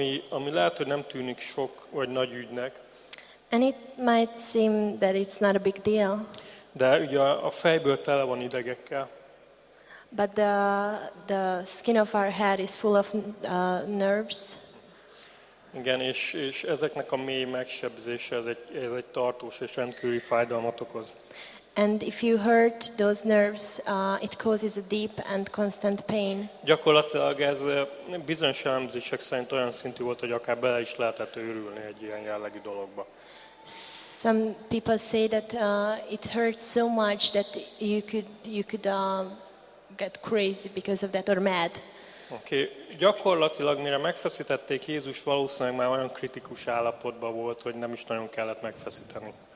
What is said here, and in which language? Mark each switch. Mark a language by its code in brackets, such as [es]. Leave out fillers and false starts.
[hu] Ami lehet, hogy nem tűnik sok vagy nagy ügynek. [en] And it might seem that it's not a big deal. [hu] De ugye a fejből tele van idegekkel. [en] But the skin of our head is full of nerves. [hu] Igen, és ezeknek a mély megsebzése ez egy tartós és rendkívüli fájdalmat okoz. [en] And if you hurt those nerves, it causes a deep and constant pain. [hu] Gyakorlatilag ez bizonyos elemzések szerint olyan szintű volt, hogy akár bele is lehetett őrülni egy ilyen jellegű dologba. [en] Some people say that it hurts so much that you could get crazy because of that or mad. Okay. [hu] Gyakorlatilag mire megfeszítették Jézus, valószínűleg már olyan kritikus állapotban volt, hogy nem is nagyon kellett megfeszíteni.